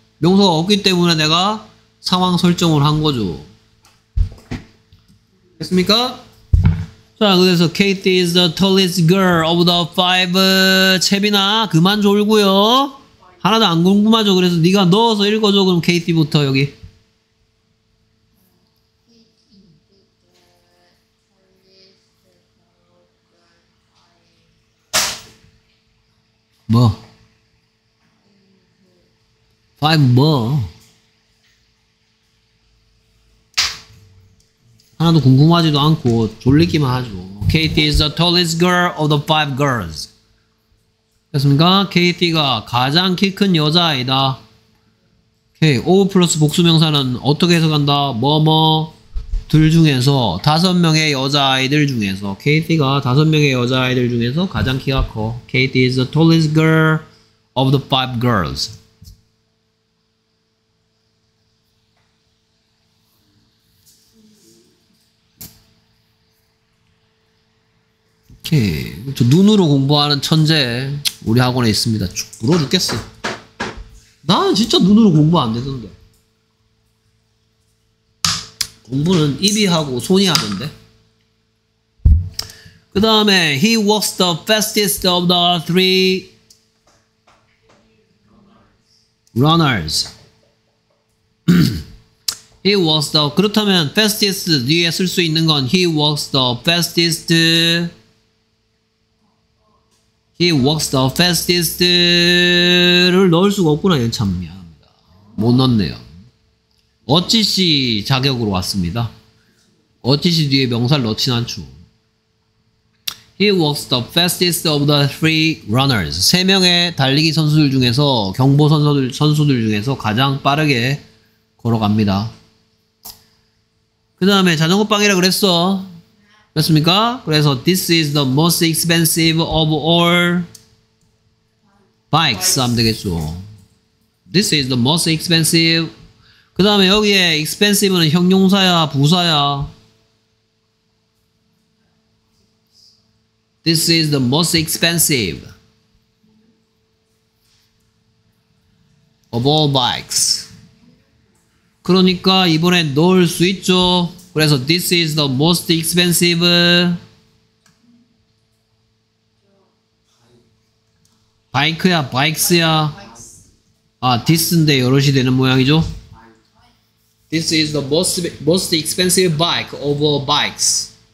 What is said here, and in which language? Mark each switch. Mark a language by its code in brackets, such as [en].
[ko] 명사가 없기 때문에 내가 상황 설정을 한 거죠. 됐습니까? 자, 그래서 [en] KT is the tallest girl of the five. [ko] 채빈아, 그만 졸고요. 하나도 안 궁금하죠. 그래서 네가 넣어서 읽어줘. 그럼 KT부터 여기. [en] KT is the tallest girl of the five. [ko] 뭐? [en] Five 뭐? [ko] 하나도 궁금하지도 않고 졸리기만 하죠. [en] KT is the tallest girl of the five girls. [ko] 됐습니까? KT가 가장 키 큰 여자아이다. [en] Okay. [ko] O 플러스 복수명사는 어떻게 해석한다? 뭐뭐 둘 중에서 다섯 명의 여자아이들 중에서 KT가 다섯 명의 여자아이들 중에서 가장 키가 커. [en] KT is the tallest girl of the five girls. [ko] 오케이. 저 눈으로 공부하는 천재 우리 학원에 있습니다. 쭉 불어 죽겠어. 난 진짜 눈으로 공부 안 되던데. 공부는 입이 하고 손이 하던데. 그 그 다음에 [en] He walks the fastest of the three runners. He walks the [ko] 그렇다면 [en] fastest [ko] 뒤에 쓸 수 있는 건 [en] He walks the fastest. He walks the fastest [ko] 를 넣을 수가 없구나. 얘는 참 미안합니다. 못 넣었네요. 어찌시 자격으로 왔습니다. 어찌시 뒤에 명사를 넣진 않죠. [en] He walks the fastest of the three runners. [ko] 세 명의 달리기 선수들 중에서 경보 선수들 중에서 가장 빠르게 걸어갑니다. 그 다음에 자전거 빵이라 그랬어. 그렇습니까? 그래서 [en] This is the most expensive of all bikes [ko] 하면 되겠죠. [en] This is the most expensive. [ko] 그 다음에 여기에 [en] expensive는 [ko] 형용사야 부사야? [en] This is the most expensive of all bikes. [ko] 그러니까 이번엔 넣을 수 있죠. 그래서 [en] this is the most expensive bike야, bikes야. [ko] 아, this인데 여럿이 되는 모양이죠. [en] This is the most expensive bike of all bikes.